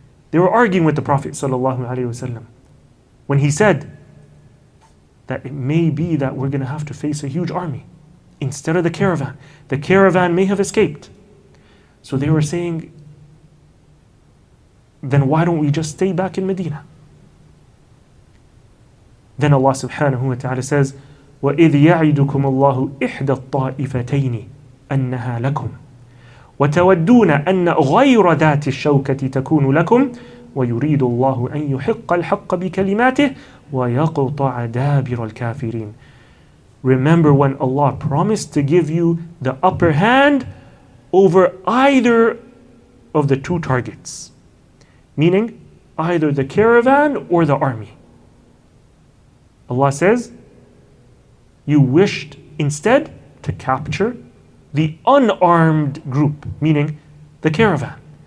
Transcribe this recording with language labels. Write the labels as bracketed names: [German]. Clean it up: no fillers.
[English] They were arguing with the Prophet sallallahu alaihi wasallam when he said that it may be that we're going to have to face a huge army instead of the caravan. The caravan may have escaped. So they were saying, then why don't we just stay back in Medina? Then Allah subhanahu wa ta'ala says, [Arabic] وَإِذْ يَعِدُكُمُ اللَّهُ إِحْدَى الطَّائِفَتَيْنِ أَنَّهَا لَكُمْ وَتَوَدُّونَ أَنَّ غَيْرَ ذَاتِ الشَّوْكَةِ تَكُونُ لَكُمْ وَيُرِيدُ اللَّهُ أَنْ يُحِقَّ الْحَقَّ بِكَلِمَاتِهِ وَيَقُطَعَ دَابِرَ الْكَافِرِينَ. [English] Remember when Allah promised to give you the upper hand over either of the two targets, meaning either the caravan or the army. Allah says, you wished instead to capture the unarmed group, meaning the caravan.